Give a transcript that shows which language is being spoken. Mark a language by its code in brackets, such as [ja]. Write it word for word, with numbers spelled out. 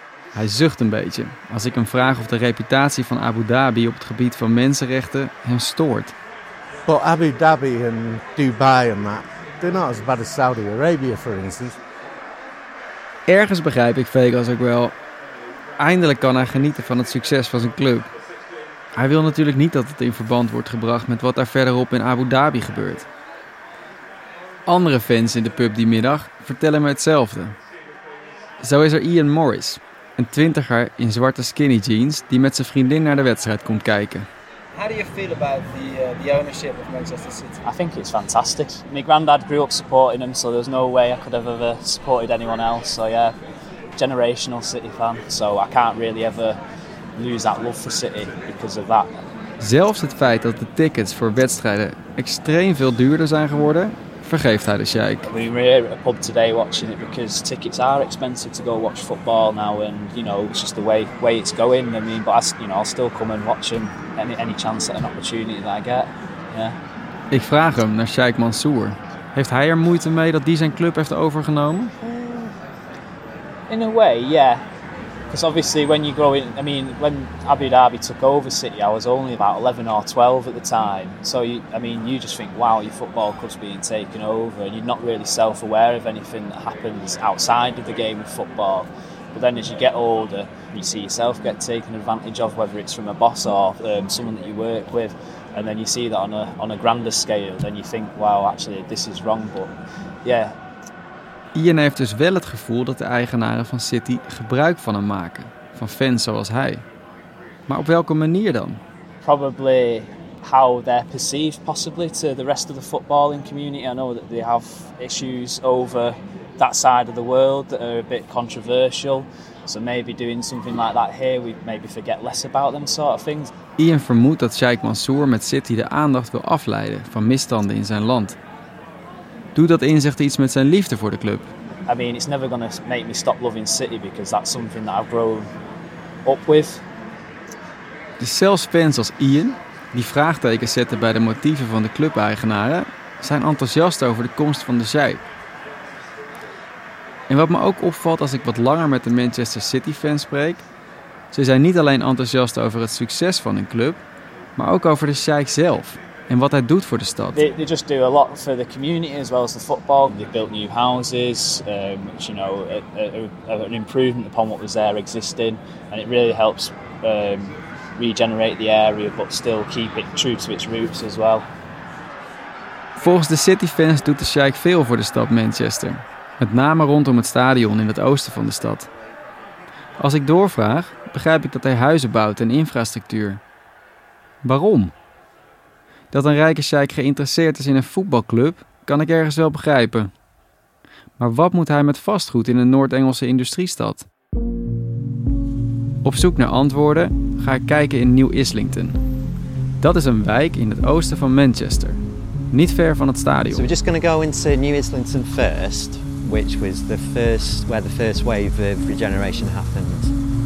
[nl] Hij zucht een beetje als ik hem vraag of de reputatie van Abu Dhabi op het gebied van mensenrechten hem stoort. [en] But Abu Dhabi and Dubai and that, they're not as bad as Saudi Arabia, for instance. [nl] Ergens begrijp ik Vegas ook wel. Eindelijk kan hij genieten van het succes van zijn club. Hij wil natuurlijk niet dat het in verband wordt gebracht met wat daar verderop in Abu Dhabi gebeurt. Andere fans in de pub die middag vertellen me hetzelfde. Zo is er Ian Morris, een twintiger in zwarte skinny jeans die met zijn vriendin naar de wedstrijd komt kijken. [en] How do you feel about the, uh, the ownership of Manchester City? I think it's fantastic. My granddad grew up supporting them, so there's no way I could have ever supported anyone else. So yeah, generational City fan, so I can't really ever lose that love for City because of that. [nl] Zelfs het feit dat de tickets voor wedstrijden extreem veel duurder zijn geworden, vergeeft hij de sheik. [en] We were here at a pub today watching it because tickets are expensive to go watch football now, and you know it's just the way way it's going. I mean, but I, you know, I'll still come and watch them any any chance at an opportunity that I get. Yeah. [nl] Ik vraag hem naar Sheikh Mansour. Heeft hij er moeite mee dat die zijn club heeft overgenomen? [en] In a way, yeah. Because obviously when you grow in, I mean, when Abu Dhabi took over City, I was only about eleven or twelve at the time. So, you, I mean, you just think, wow, your football club's being taken over, and you're not really self-aware of anything that happens outside of the game of football. But then as you get older, you see yourself get taken advantage of, whether it's from a boss or um, someone that you work with. And then you see that on a on a grander scale, then you think, wow, actually, this is wrong, but yeah. [nl] Ian heeft dus wel het gevoel dat de eigenaren van City gebruik van hem maken, van fans zoals hij. Maar op welke manier dan? [en] Probably how they're perceived, possibly, to the rest of the footballing community. I know that they have issues over that side of the world that are a bit controversial. So maybe doing something like that here, we maybe forget less about them sort of things. [nl] Ian vermoedt dat Sheikh Mansour met City de aandacht wil afleiden van misstanden in zijn land. Doet dat inzicht iets met zijn liefde voor de club? [en] I mean, it's never going to make me stop loving City because that's something that I've grown up with. [nl] Dus zelfs fans als Ian, die vraagtekens zetten bij de motieven van de clubeigenaren, zijn enthousiast over de komst van de Sheikh. En wat me ook opvalt als ik wat langer met de Manchester City-fans spreek, ze zijn niet alleen enthousiast over het succes van hun club, maar ook over de Sheikh zelf en wat hij doet voor de stad. [en] They, they just do a lot for the community as well as the football. They built new houses, um, which you know, a, a, a, an improvement upon what was there existing, and it really helps um, regenerate the area, but still keep it true to its roots as well. [nl] Volgens de City-fans doet de Sheikh veel voor de stad Manchester, met name rondom het stadion in het oosten van de stad. Als ik doorvraag, begrijp ik dat hij huizen bouwt en infrastructuur. Waarom? Dat een rijke sheik geïnteresseerd is in een voetbalclub, kan ik ergens wel begrijpen. Maar wat moet hij met vastgoed in een Noord-Engelse industriestad? Op zoek naar antwoorden ga ik kijken in New Islington. Dat is een wijk in het oosten van Manchester, niet ver van het stadion. [en] So we're just going to go into New Islington first, which was the first where the first wave of regeneration happened.